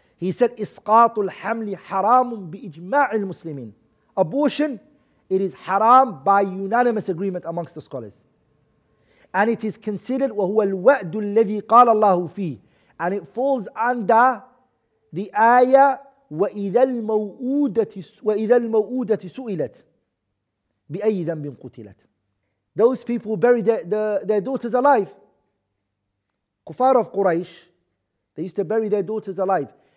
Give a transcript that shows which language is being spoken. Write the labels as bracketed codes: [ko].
[en] He said, [ar] إِسْقَاطُ الْحَمْلِ حَرَامٌ بِإِجْمَاعِ الْمُسْلِمِينَ. [en] Abortion, it is haram by unanimous agreement amongst the scholars. And it is considered, [ar] وَهُوَ الْوَأْدُ الَّذِي قَالَ اللَّهُ فِيهِ. [en] And it falls under the ayah, [ar] وَإِذَا الْمَوْؤُودَةِ سُئِلَتْ بِأَيِّ ذَنْبٍ قُتِلَتْ. [en] Those people who buried their daughters alive. Kufar of Quraysh, they used to bury their daughters alive.